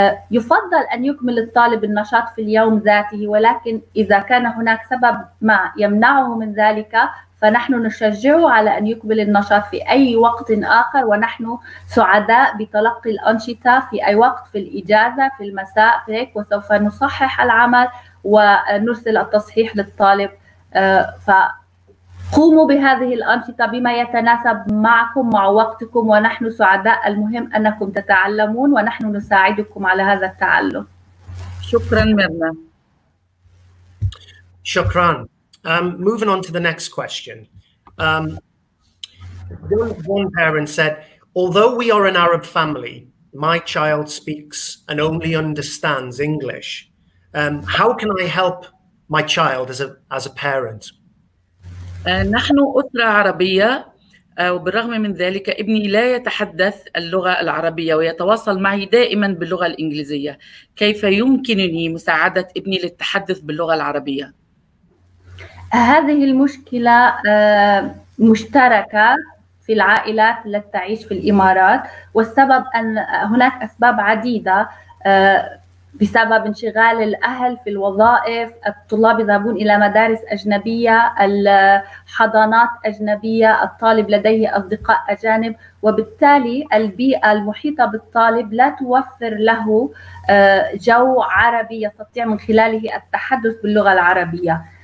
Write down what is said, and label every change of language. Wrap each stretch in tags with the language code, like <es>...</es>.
<ar>يفضل أن يكمل الطالب النشاط في اليوم ذاته، ولكن إذا كان هناك سبب ما يمنعه من ذلك فنحن نشجعه على أن يكمل النشاط في أي وقت آخر، ونحن سعداء بتلقي الأنشطة في أي وقت، في الإجازة، في المساء، فيك، وسوف نصحح العمل ونرسل التصحيح للطالب. فقوموا بهذه الأنشطة بما يتناسب معكم مع وقتكم، ونحن سعداء، المهم أنكم تتعلمون ونحن نساعدكم على هذا التعلم. شكراً ميرنا. شكراً.</ar> <en>Moving on to the next question. One parent said, although we are an Arab family, my child speaks and only understands English. How can I help my child as a parent?</en> <ar>نحن أسرة عربية، وبالرغم من ذلك ابني لا يتحدث اللغة العربية ويتواصل معي دائما باللغة الإنجليزية. كيف يمكنني مساعدة ابني للتحدث باللغة العربية؟ هذه المشكلة مشتركة في العائلات التي تعيش في الإمارات، والسبب أن هناك أسباب عديدة، بسبب انشغال الأهل في الوظائف، الطلاب يذهبون إلى مدارس أجنبية، الحضانات أجنبية، الطالب لديه أصدقاء أجانب، وبالتالي البيئة المحيطة بالطالب لا توفر له جو عربي يستطيع من خلاله التحدث باللغة العربية.</ar>